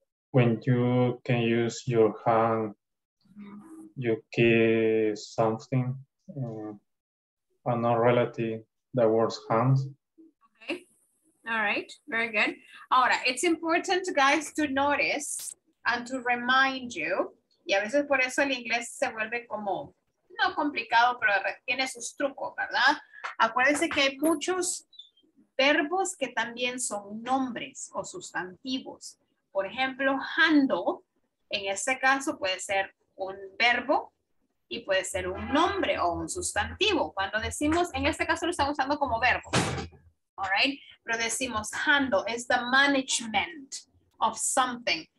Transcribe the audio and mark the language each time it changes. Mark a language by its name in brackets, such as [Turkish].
[English] When you can use your hand, you kiss something, another relative that works hands. Okay. All right. Very good. All right. It's important, guys, to notice and to remind you. [Spanish] Y a veces por eso el inglés se vuelve como no complicado, pero tiene sus trucos, ¿verdad? Acuérdense que hay muchos verbos que también son nombres o sustantivos. Por ejemplo, handle, en este caso puede ser un verbo y puede ser un nombre o un sustantivo. Cuando decimos, en este caso lo estamos usando como verbo, all right? Pero decimos [English] handle, it's the management of something.